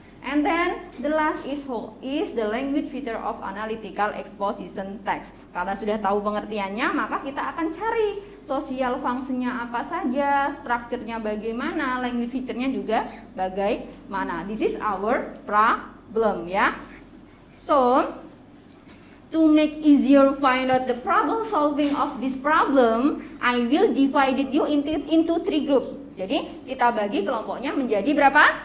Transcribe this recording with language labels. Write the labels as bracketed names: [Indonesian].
[English] And then the last is who is the language feature of analytical exposition text? [Indonesian] Karena sudah tahu pengertiannya, maka kita akan cari social function-nya apa saja, structure-nya bagaimana, language feature-nya juga bagaimana. [English] This is our problem ya. So to make easier find out the problem solving of this problem, I will divide you into three group. [Indonesian] Jadi kita bagi kelompoknya menjadi berapa?